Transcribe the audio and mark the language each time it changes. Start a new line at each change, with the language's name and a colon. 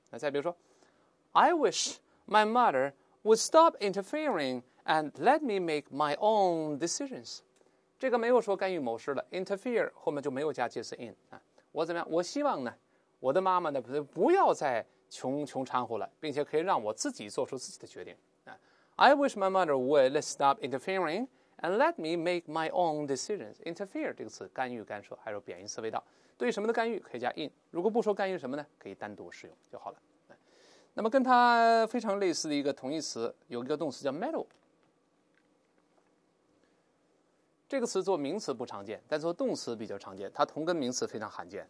Chinese: 那再比如说
English: ，I wish my mother would stop interfering and let me make my own decisions。
Chinese: 这个没有说干预某事的 interfere 后面就没有加介词 in 啊。我怎么样？我希望呢，我的妈妈呢不要再穷掺和了，并且可以让我自己做出自己的决定啊。
English: I wish my mother would stop interfering and let me make my own decisions.
Chinese: Interfere 这个词，干预、干涉，还有贬义词味道。对什么的干预可以加 in， 如果不说干预什么呢，可以单独使用就好了。啊、那么跟它非常类似的一个同义词，有一个动词叫 meddle。这个词做名词不常见，但做动词比较常见，它同根名词非常罕见。